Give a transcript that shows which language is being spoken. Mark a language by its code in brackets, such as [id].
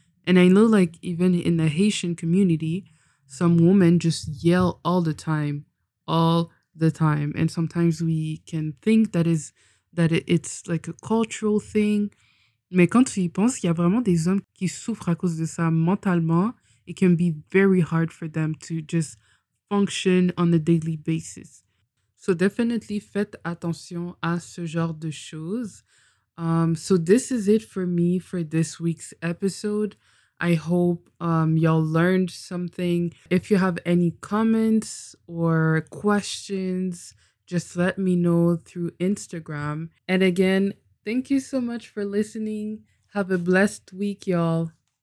[en] And I know, like, even in the Haitian community, some women just yell all the time, all the time. And sometimes we can think that it's like a cultural thing. [fr] Mais quand tu y penses, il y a vraiment des hommes qui souffrent à cause de ça mentalement. [en] It can be very hard for them to just function on a daily basis. So definitely, [fr] faites attention à ce genre de choses. [en] So this is it for me for this week's episode. I hope y'all learned something. If you have any comments or questions, just let me know through Instagram. And again, thank you so much for listening. Have a blessed week, y'all.